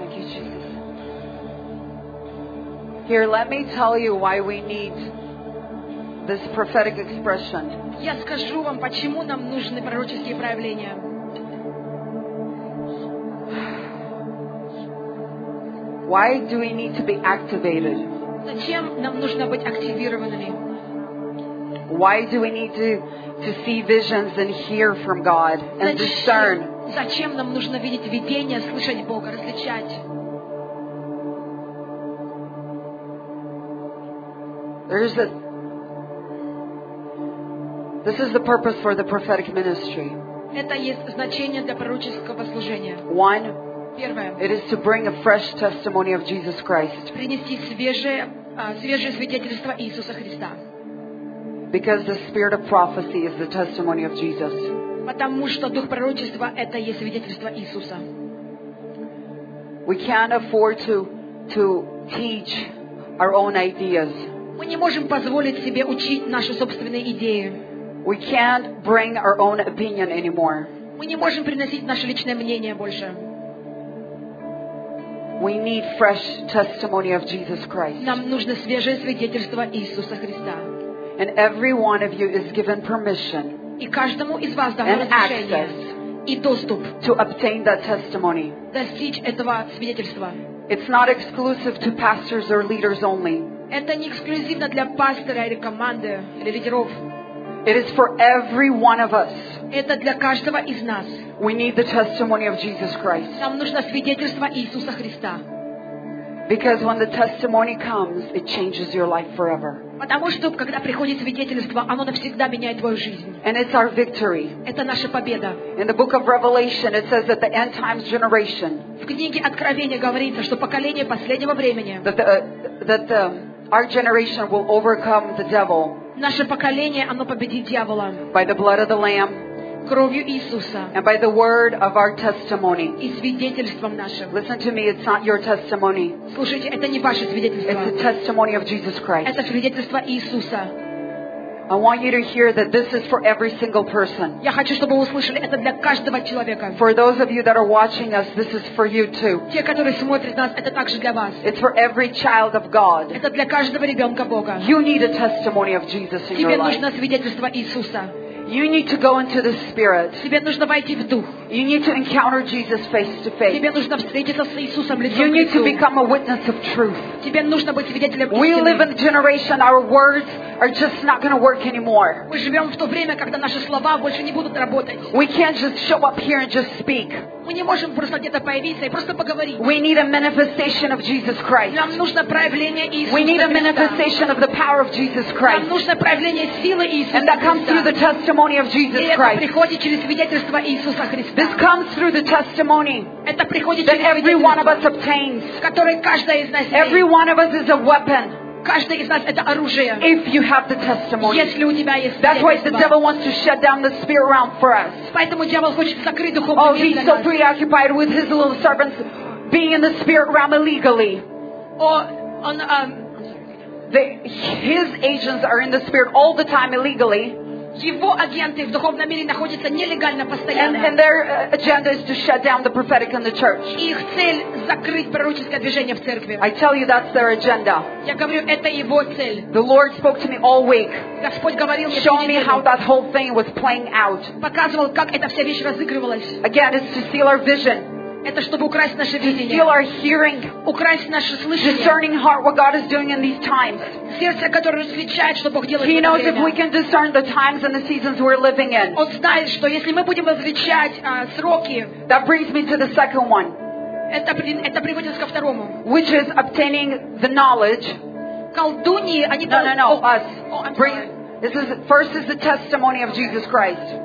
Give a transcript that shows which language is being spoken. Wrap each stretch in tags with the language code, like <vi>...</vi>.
<en>Here, let me tell you why we need this prophetic expression.</en> <ru>Я скажу вам, почему нам нужны пророческие проявления.</ru> <en>Why do we need to be activated?</en> <ru>Зачем нам нужно быть активированными?</ru> <en>Why do we need to see visions and hear from God and discern?</en> <ru>Зачем нам нужно видеть видения, слышать Бога, различать?</ru> <en>This is the purpose for the prophetic ministry.</en> <ru>Это есть значение для пророческого служения.</ru> <en>One.</en> <ru>Первое.</ru> <en>It is to bring a fresh testimony of Jesus Christ.</en> <ru>Принести свежее свидетельство Иисуса Христа.</ru> <en>Because the spirit of prophecy is the testimony of Jesus.</en> <ru>Потому что дух пророчества это есть свидетельство Иисуса.</ru> <en>We can't afford to teach our own ideas.</en> <ru>Мы не можем позволить себе учить наши собственные идеи.</ru> <en>We can't bring our own opinion anymore.</en> <ru>Мы не можем приносить наше личное мнение больше.</ru> <en>We need fresh testimony of Jesus Christ.</en> <ru>Нам нужно свежее свидетельство Иисуса Христа.</ru> <en>And every one of you is given permission.</en> <ru>И каждому из вас дано разрешение и доступ</ru> <en>to obtain that testimony.</en> <ru>Достичь этого свидетельства.</ru> <en>It's not exclusive to pastors or leaders only.</en> <ru>Это не эксклюзивно для пастора или команды или лидеров.</ru> <en>It is for every one of us.</en> <ru>Это для каждого из нас.</ru> <en>We need the testimony of Jesus Christ.</en> <ru>Нам нужно свидетельство Иисуса Христа.</ru> <en>Because when the testimony comes, it changes your life forever.</en> <ru>Потому что когда приходит свидетельство, оно навсегда меняет твою жизнь.</ru> <en>And it's our victory.</en> <ru>Это наша победа.</ru> <en>In the book of Revelation, it says that the end times generation.</en> <ru>В книге Откровения говорится, что поколение последнего времени.</ru> <en>That our generation will overcome the devil.</en> <ru>Наше поколение, оно победит дьявола.</ru> <en>By the blood of the Lamb.</en> <ru>Кровью Иисуса.</ru> <en>And by the word of our testimony.</en> <ru>И свидетельством нашим.</ru> <en>Listen to me, it's not your testimony.</en> <ru>Слушайте, это не ваше свидетельство.</ru> <en>It's the testimony of Jesus Christ.</en> <ru>Это свидетельство Иисуса.</ru> <en>I want you to hear that this is for every single person.</en> <ru>Я хочу, чтобы вы услышали, это для каждого человека.</ru> <en>For those of you that are watching us, this is for you too.</en> <ru>Те, которые смотрят нас, это также для вас.</ru> <en>It's for every child of God.</en> <ru>Это для каждого ребенка Бога.</ru> <en>You need a testimony of Jesus in your life.</en> <ru>Тебе нужно свидетельство Иисуса.</ru> <en>You need to go into the Spirit.</en> <ru>Тебе нужно войти в дух.</ru> <en>You need to encounter Jesus face to face.</en> <ru>Тебе нужно встретиться с Иисусом лицом к лицу.</ru> <en>You need to become a witness of truth.</en> <ru>Тебе нужно быть свидетелем истины.</ru> <en>We live in a generation our words are just not going to work anymore.</en> <ru>Мы живем в то время, когда наши слова больше не будут работать.</ru> <en>We can't just show up here and just speak.</en> <ru>Мы не можем просто где-то появиться и просто поговорить.</ru> <en>We need a manifestation of Jesus Christ.</en> <ru>Нам нужно проявление Иисуса Христа.</ru> <en>We need a manifestation of the power of Jesus Christ.</en> <ru>Нам нужно проявление силы Иисуса Христа.</ru> <en>And that comes through the testimony of Jesus Christ.</en> <ru>Это приходит через свидетельство Иисуса Христа.</ru> <en>This comes through the testimony that every one of us obtains. Every one of us is a weapon.</en> <ru>Каждый из нас это оружие.</ru> <en>If you have the testimony.</en> <ru>Если у тебя есть.</ru> <en>That's why the devil wants to shut down the spirit realm for us.</en> <ru>Поэтому дьявол хочет закрыть духовный мир.</ru> <en>Oh, he's so preoccupied with his little servants being in the spirit realm illegally. His agents are in the spirit all the time illegally.</en> <ru>Его агенты в духовном мире находятся нелегально постоянно.</ru> <en>And their agenda is to shut down the prophetic in the church.</en> <ru>Их цель закрыть пророческое движение в церкви.</ru> <en>I tell you that's their agenda.</en> <ru>Я говорю, это его цель.</ru> <en>The Lord spoke to me all week.</en> <ru>Господь говорил мне.</ru> <en>Show me how that whole thing was playing out.</en> <ru>Показывал, как эта вся вещь разыгрывалась.</ru> <en>Again, it's to steal our vision.</en> <ru>Это чтобы украсть наше видение.</ru> <en>To steal our hearing.</en> <ru>Украсть наше слышание.</ru> <en>Discerning heart what God is doing in these times.</en> <ru>Сердце, которое различает, что Бог делает.</ru> <en>He knows if we can discern the times and the seasons we're living in.</en> <ru>Он знает, что если мы будем различать сроки.</ru> <en>That brings me to the second one.</en> <ru>Это приводит ко второму.</ru> <en>Which is obtaining the knowledge.</en> <ru>Колдуньи, они должны. No, oh,</ru> <en>us. First is the testimony of Jesus Christ.</en>